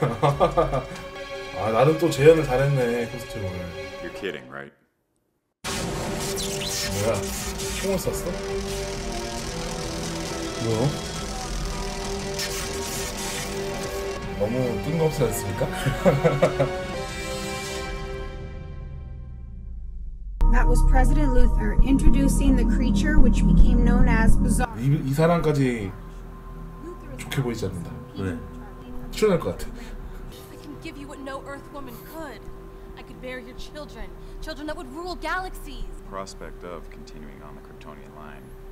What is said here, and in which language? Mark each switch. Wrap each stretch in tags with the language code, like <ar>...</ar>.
<ko>아, 나름 또 재현을 잘했네, 코스튬을.</ko> <en>You're kidding, right?</en> <ko>뭐야? 총을 쐈어? 뭐? 너무 뜬금없지 않습니까?</ko> <en>That was President Luther introducing the creature which became known as Bizarro.</en> <ko>이 사람까지 좋게 보이지 않는다. 왜? 출연할 것 같아.</ko> <en>I can give you what no earth woman could. I could bear your children, children that would rule galaxies. Prospect of continuing on the Kryptonian line</en>